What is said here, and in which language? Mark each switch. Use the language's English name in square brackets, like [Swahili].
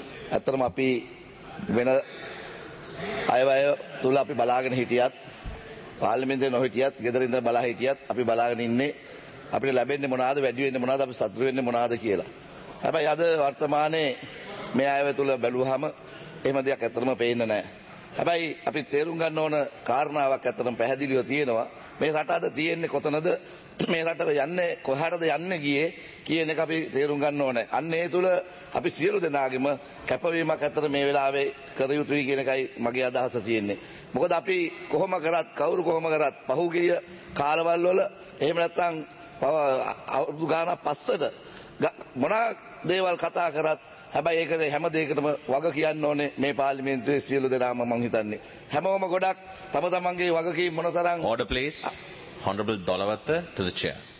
[Sinhala] Attharam api vena ayave thula api balagena hitiyat parliamentaye nohitiyat gedara indala bala hitiyat api balagena inne අපිට ලැබෙන්නේ මොනවාද වැඩි වෙන්නේ මොනවාද අපි සතුරු වෙන්නේ මොනවාද කියලා. හැබැයි අද වර්තමානයේ මේ අයව තුල බැලුවහම එහෙම දෙයක් ඇත්තටම පේන්නේ නැහැ. හැබැයි අපි තේරුම් ගන්න ඕන කාරණාවක් ඇත්තටම පැහැදිලිව තියෙනවා. මේ රට අද තියෙන්නේ කොතනද? මේ රට යන්නේ කොහටද යන්නේ ගියේ කියන එක අපි තේරුම් ගන්න ඕනේ. අන්න ඒ තුල අපි සියලු දෙනාගෙම කැපවීමක් ඇත්තට මේ වෙලාවේ කර යුතුයි කියන එකයි මගේ අදහස තියෙන්නේ. මොකද අපි කොහොම කරත් කවුරු කොහොම කරත් පහුගිය කාලවල වල එහෙම නැත්තම් පව අවුරුදු ගාන පස්සට මොන දේවල් කතා කරත් හැබැයි ඒක හැම දෙයකටම වග කියන්න ඕනේ මේ පාර්ලිමේන්තුවේ සියලු දෙනාම මම හිතන්නේ හැමෝම ගොඩක් තම තමන්ගේ වගකීම් මොන තරම් [English] Order please Honorable Dolawatta to the chair